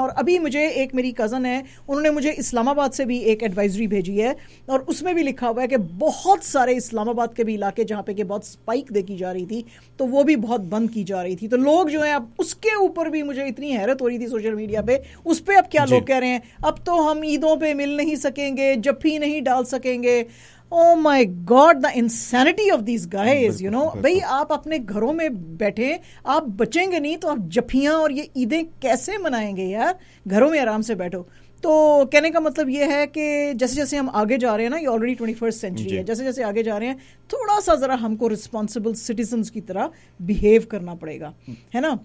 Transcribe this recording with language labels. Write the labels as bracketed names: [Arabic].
[Urdu] اور ابھی مجھے ایک میری کزن ہے, انہوں نے مجھے اسلام آباد سے بھی ایک ایڈوائزری بھیجی ہے, اور اس میں بھی لکھا ہوا ہے کہ بہت سارے اسلام آباد کے بھی علاقے جہاں پہ کہ بہت اسپائک دیکھی جا رہی تھی, تو وہ بھی بہت بند کی جا رہی تھی. تو لوگ جو ہیں اب اس کے اوپر بھی, مجھے اتنی حیرت ہو رہی تھی سوشل میڈیا پہ, اس پہ اب کیا لوگ کہہ رہے ہیں, اب تو ہم عیدوں پہ مل نہیں سکیں گے, جب بھی نہیں ڈال سکیں گے. [English] Oh my God, the insanity of these guys, you know. [Urdu] بھائی آپ اپنے گھروں میں بیٹھے, آپ بچیں گے نہیں تو آپ جفیاں اور یہ عیدیں کیسے منائیں گے یار, گھروں میں آرام سے بیٹھو. تو کہنے کا مطلب یہ ہے کہ جیسے جیسے ہم آگے جا رہے ہیں نا, یہ آلریڈی 21st century ہے, جیسے جیسے آگے جا رہے ہیں تھوڑا سا ذرا ہم کو ریسپانسبل سٹیزنس کی طرح بہیو کرنا پڑے گا, ہے نا